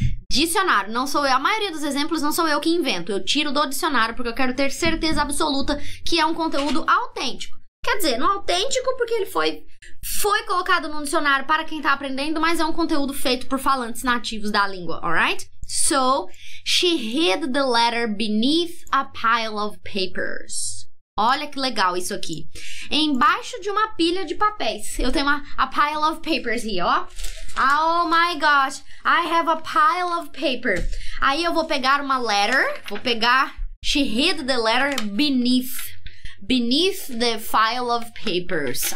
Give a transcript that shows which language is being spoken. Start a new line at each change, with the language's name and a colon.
Portuguese: Dicionário, não sou eu. A maioria dos exemplos não sou eu que invento. Eu tiro do dicionário porque eu quero ter certeza absoluta que é um conteúdo autêntico. Quer dizer, não autêntico porque ele foi colocado no dicionário para quem está aprendendo, mas é um conteúdo feito por falantes nativos da língua, alright?
English: So, she hid the letter beneath a pile of papers.
Portuguese: Olha que legal isso aqui. Embaixo de uma pilha de papéis. Eu tenho
English: a pile of papers aqui, ó. Oh my gosh, I have a pile of paper.
Portuguese: Aí eu vou pegar uma letter, vou pegar...
English: She hid the letter beneath. Beneath the pile of papers.